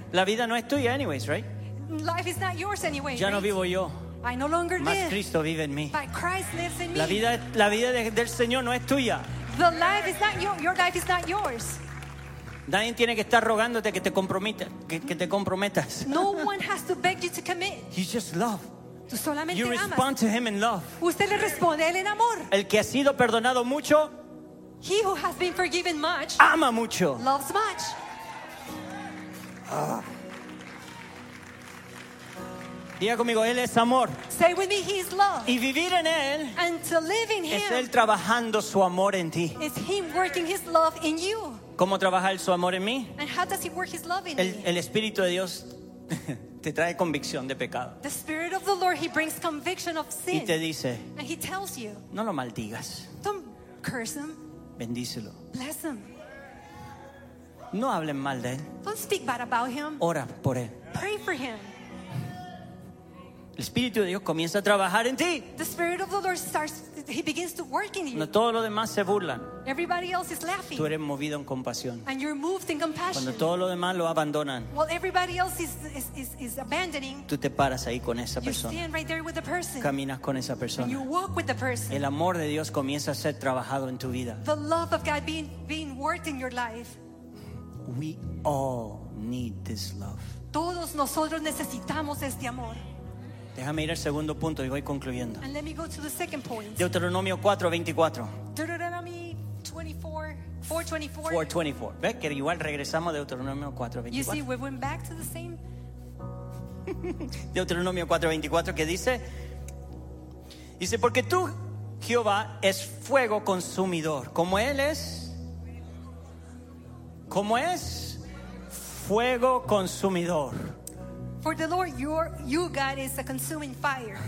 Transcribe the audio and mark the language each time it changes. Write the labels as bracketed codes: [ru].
[es] La vida no es tuya [en] anyways, right? Life is not yours anyway. [es] Ya no vivo yo. [en] I no longer [es] más [en] live. [es] Más Cristo vive en mí. [en] But Christ lives in me. [es] La vida del Señor no es tuya. [en] The life is not yours. Your life is not yours. [es] Nadie tiene que estar rogándote que te comprometas, que te comprometas. [en] No one has to beg you to commit. You just love. [es] Tú solamente [en] you respond [es] amas. [en] To him in love. [es] Usted le responde a él en amor. El que ha sido perdonado mucho, [en] he who has been forgiven much, [es] ama mucho, [en] loves much. [es] Diga conmigo, él es amor. [en] Say with me, he is love. [es] Y vivir en él, [en] and to live in him, [es] es él trabajando su amor en ti. [en] Is him working his love in you. [es] ¿Cómo trabaja él su amor en mí? [en] And how does he work his love in [es] el, [en] me? [es] El Espíritu de Dios te trae convicción de pecado. [en] The Spirit of the Lord, he brings conviction of sin. [es] Y te dice, [en] and he tells you, [es] no lo maldigas. [en] Don't curse him. [es] Bendícelo. [en] Bless him. [es] No hablen mal de él. [en] Don't speak bad about him. [es] Ora por él. [en] Pray for him. [es] El Espíritu de Dios comienza a trabajar en ti. [en] The Spirit of the Lord starts, he begins to work in you. [es] No todos los demás se burlan. [en] Everybody else is laughing. [es] Tú eres movido en compasión. [en] And you're moved in compassion. [es] Cuando todos los demás lo abandonan. [en] While everybody else is abandoning. [es] Tú te paras ahí con esa persona. [en] You stand right there with the person. [es] Caminas con esa persona. [en] And you walk with the person. [es] El amor de Dios comienza a ser trabajado en tu vida. [en] The love of God being worked in your life. We all need this love. [es] Todos nosotros necesitamos este amor. Déjame ir al segundo punto y voy concluyendo. [en] And let me go to the second point. [es] Deuteronomio 4:24. [en] Deuteronomy 24. [es] 424. Ve que igual regresamos a Deuteronomio 4:24. [en] You see, we went back to the same. [es] Deuteronomio 4:24 que dice porque tú Jehová es fuego consumidor, como él es fuego consumidor. [en] For the Lord, you God is a consuming fire.